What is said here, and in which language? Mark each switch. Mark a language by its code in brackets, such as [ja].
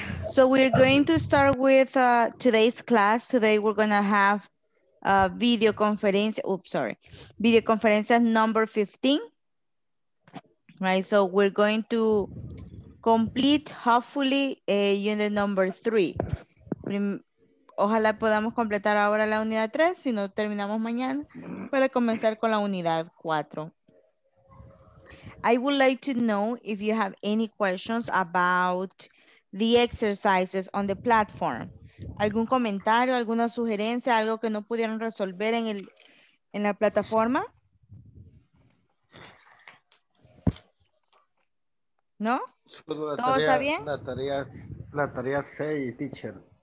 [en] So we're going to start with today's class. Today we're going to have a video conference. Oops, sorry. Video conference number 15. Right. So we're going to complete, hopefully, unit number 3. [es] Ojalá podamos completar ahora la unidad 3, si no terminamos mañana, para comenzar con la unidad 4. [en] I would like to know if you have any questions about the exercises on the platform. [es] ¿Algún comentario, alguna sugerencia, algo que no pudieron resolver en el en la plataforma? ¿No? ¿Todo está bien? La tarea 6, teacher.